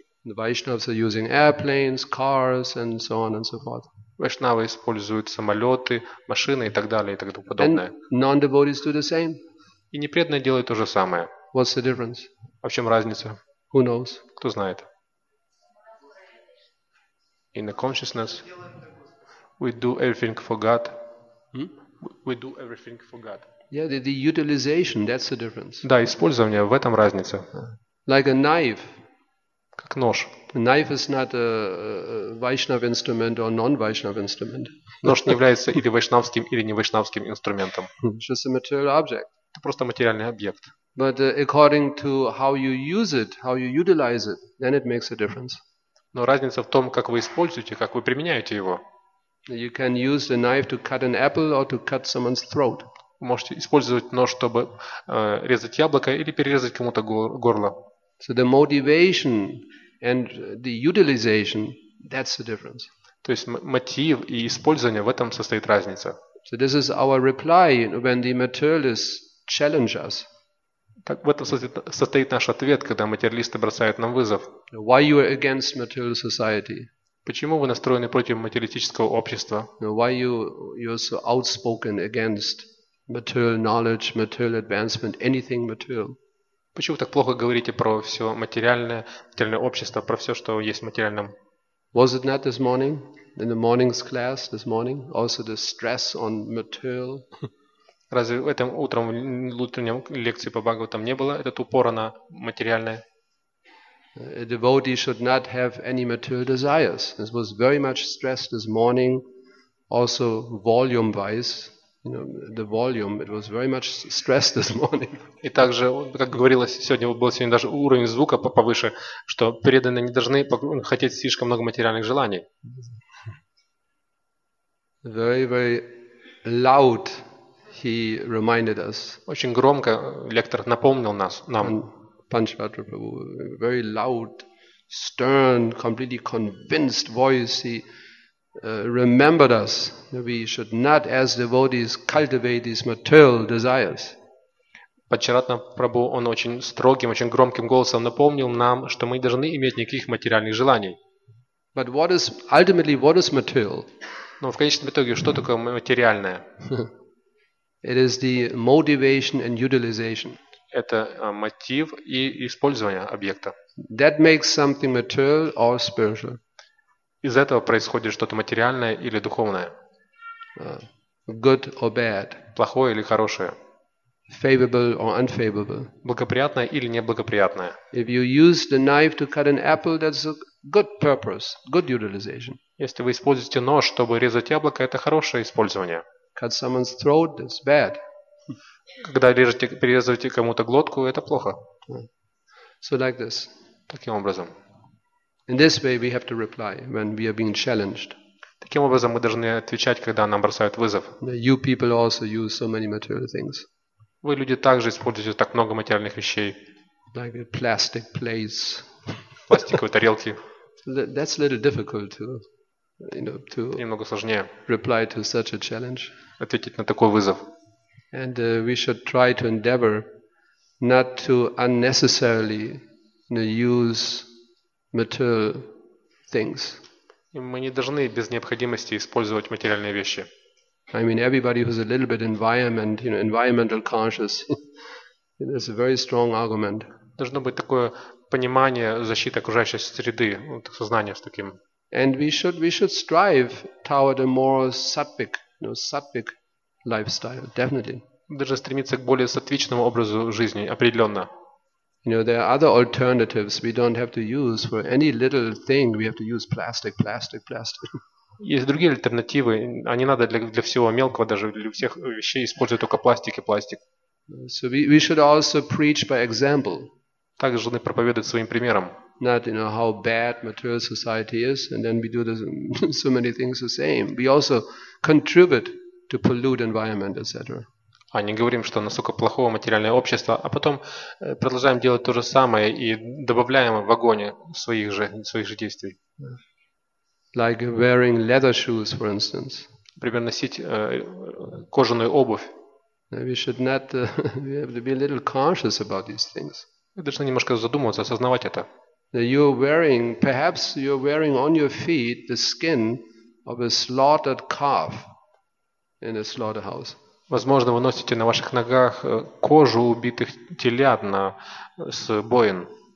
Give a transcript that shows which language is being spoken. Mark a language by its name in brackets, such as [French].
[English] The Vaishnavas are using airplanes, cars, and so on and so forth. [Russian] Вайшнавы используют самолеты, машины и так далее и так подобное. [English] And non-devotees do the same. [Russian] И непреданные делают то же самое. [English] What's the difference? [Russian] А в чем разница? [English] Who knows? [Russian] Кто знает? [English] In the consciousness, we do everything for God. We do everything for God. Yeah, the utilization, that's the difference. [Russian] Да, использование, в этом разница. [English] Like a knife. [Russian] Как нож. [English] A knife is not a Vaishnava instrument or non-Vaishnava instrument. [Russian] Нож не является или вайшнавским, или не вайшнавским инструментом. [English] It's just a material object. [Russian] Это просто материальный объект. [English] But according to how you use it, how you utilize it, then it makes a difference. [Russian] Но разница в том, как вы используете, как вы применяете его. [English] You can use the knife to cut an apple or to cut someone's throat. [Russian] Можете использовать нож, чтобы резать яблоко или перерезать кому-то горло. [English] So the motivation and the utilization, that's the difference. [Russian] То есть мотив и использование, в этом состоит разница. [English] So this is our reply when the materialists challenge us. [Russian] Так в этом состоит наш ответ, когда материалисты бросают нам вызов. [English] Why you are against material society? [Russian] Почему вы настроены против материалистического общества? [English] Why you are so outspoken against material knowledge, material advancement, anything material? [Russian] Почему так плохо говорите про все материальное, материальное общество, про все, что есть в материальном? [English] Was it not this morning in the morning's class this morning also the stress on material? [Russian] Разве этим утром в утреннем лекции по Бхагаватам не было этот упор на материальное? [English] A devotee should not have any material desires. This was very much stressed this morning, also volume-wise. You know, the volume, it was very much stressed this morning. [Russian] И также, как говорилось сегодня, был сегодня даже уровень звука повыше, что преданные не должны хотеть слишком много материальных желаний. [English] Very, very loud, he reminded us. [Russian] Очень громко лектор напомнил нас, нам. [English] Панчватра Прабху, very loud, stern, completely convinced voice, he remembered us that we should not, as devotees, cultivate these material desires. [Russian] Панчватра Прабху, он очень строгим, очень громким голосом напомнил нам, что мы не должны иметь никаких материальных желаний. [English] But what is, ultimately, what is material? [Russian] Но в конечном итоге, что такое материальное? [English] It is the motivation and utilization. [Russian] Это мотив и использование объекта. [English] That makes something material or spiritual. [Russian] Из этого происходит что-то материальное или духовное. [English] Good or bad. [Russian] Плохое или хорошее. [English] Favorable or unfavorable. [Russian] Благоприятное или неблагоприятное. [English] If you use the knife to cut an apple, that's a good purpose, good utilization. [Russian] Если вы используете нож, чтобы резать яблоко, это хорошее использование. [English] Cut someone's throat, that's bad. [Russian] Когда режете, перерезаете кому-то глотку, это плохо. [English] So like this. [Russian] Таким образом. [English] In this way we have to reply when we are being challenged. [Russian] Таким образом мы должны отвечать, когда нам бросают вызов. [English] You people also use so many material things. [Russian] Вы люди также используете так много материальных вещей. [English] Like plastic plates, [Russian] пластиковые тарелки. [English] That's a little difficult to, you know, to [Russian] немного сложнее [English] reply to such a challenge. [Russian] Ответить на такой вызов. [English] And we should try to endeavor not to unnecessarily, you know, use material things. [Russian] И мы не должны без необходимости использовать материальные вещи. [English] I mean, everybody who's a little bit environment, you know, environmental conscious, it's a very strong argument. [Russian] Должно быть такое понимание защиты окружающей среды, вот, сознание с таким. [English] And we should strive toward a more sattvic, you know, sattvic lifestyle, definitely. [Russian] Даже стремиться к более сатвичному образу жизни, определенно. [English] You know, there are other alternatives we don't have to use for any little thing. We have to use plastic. [Russian] Есть другие альтернативы, а не надо для всего мелкого, даже для всех вещей использовать только пластик. [English] So we should also preach by example. [Russian] Также должны проповедовать своим примером. [English] Not, you know, how bad material society is, and then we do this, so many things the same. We also contribute to pollute environment, etc. [Russian] А не говорим, что насколько плохое материальное общество, а потом продолжаем делать то же самое и добавляем в огонь своих же действий. [English] Like wearing leather shoes, for instance. [Russian] Например, носить кожаную обувь. [English] We should not, we have to be a little conscious about these things. [Russian] Мы должны немножко задумываться, осознавать это. [English] You're wearing, perhaps you're wearing on your feet the skin of a slaughtered calf in a slaughterhouse. [Russian] Возможно, вы носите на ваших ногах кожу убитых телят с боен.